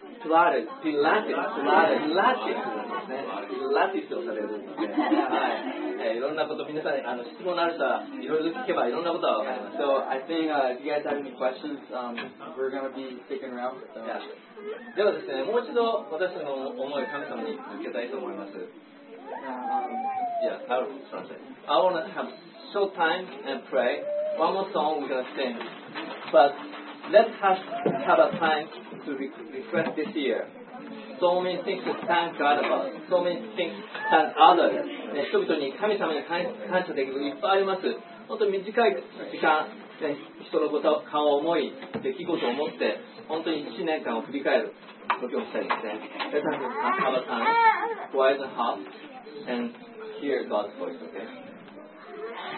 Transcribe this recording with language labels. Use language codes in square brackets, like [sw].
[en] Let's have a time to refresh this year. So many things to thank God about. So many things to thank others. [ja] 人々に神様に感謝できるいっぱいあります。本当に短い時間、人のことを顔を思い、出来事を思って、本当に1年間を振り返る時をしたいですね。 [en] Let's have a time, quiet the heart, and hear God's voice, okay?